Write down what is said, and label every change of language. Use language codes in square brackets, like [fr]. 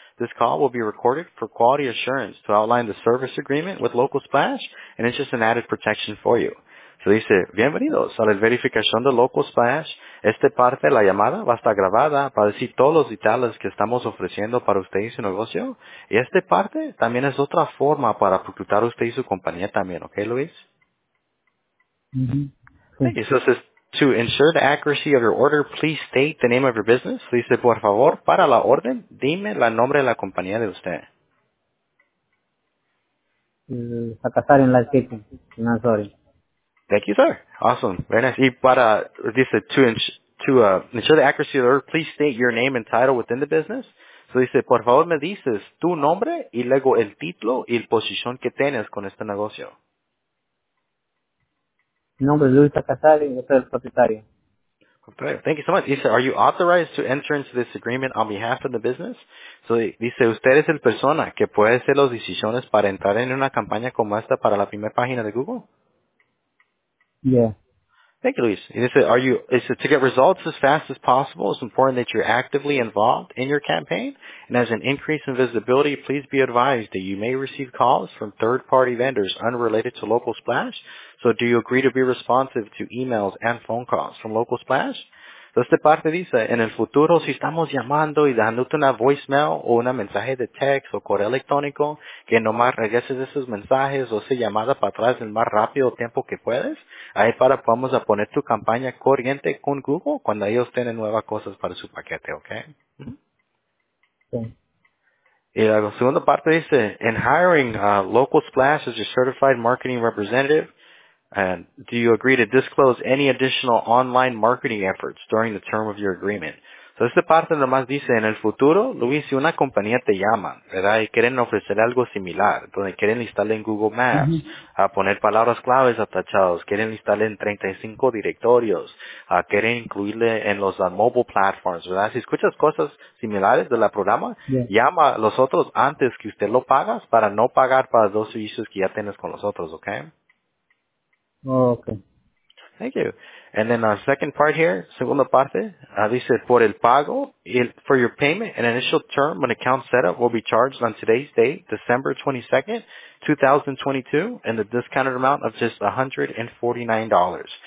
[en] This call will be recorded for quality assurance to outline the service agreement with Local Splash, and it's just an added protection for you. So they said, [es] bienvenidos a la verificación de Local Splash. Esta parte de la llamada va a estar grabada para decir todos los detalles que estamos ofreciendo para usted y su negocio. Y esta parte también es otra forma para reclutar usted y su compañía también. ¿Ok, Luis? Mm-hmm. [en] Thank you. So this is to ensure the accuracy of your order, please state the name of your business. [es] So dice, por favor, para la orden, dime el nombre de la compañía de usted. Sacasar en la esquina. [en] No, sorry. Thank you, sir. Awesome. Very nice. Ensure the accuracy of the order, please state your name and title within the business. [es] So dice, por favor, me dices tu nombre y luego el título y el posición que tienes con este negocio. Nombre Luis Casari, yo soy el propietario. [en] Thank you so much. Dice, are you authorized to enter into this agreement on behalf of the business? [es] So dice, usted es el persona que puede hacer las decisiones para entrar en una campaña como esta para la primera página de Google. [en] Yeah. Thank you, Luis. And is it, are you, is it to get results as fast as possible, it's important that you're actively involved in your campaign. And as an increase in visibility, please be advised that you may receive calls from third-party vendors unrelated to Local Splash. So do you agree to be responsive to emails and phone calls from Local Splash? [es] So esta parte dice, en el futuro, si estamos llamando y dejándote una voicemail o una mensaje de text o correo electrónico, que nomás regreses esos mensajes o esa llamada para atrás el más rápido tiempo que puedes, ahí para podamos poner tu campaña corriente con Google cuando ellos tienen nuevas cosas para su paquete, ¿ok? Sí. Y la segunda parte dice, [en] in hiring, Local Splash as your certified marketing representative, and do you agree to disclose any additional online marketing efforts during the term of your agreement? [es] So esta parte nomás dice, en el futuro, Luis, si una compañía te llama, ¿verdad? Y quieren ofrecer algo similar, donde quieren instalar en Google Maps, a poner palabras claves atachados, quieren instalar en 35 directorios, quieren incluirle en los [en] mobile platforms, [es] ¿verdad? Si escuchas cosas similares de la programa, yeah, llama a los otros antes que usted lo pagas para no pagar para los dos servicios que ya tienes con los otros, ¿ok? [en] Okay. Thank you. And then the second part here, [es] segunda parte, dice, por el pago, [en] for your payment, an initial term, an account setup will be charged on today's date, December 22nd, 2022, and the discounted amount of just $149.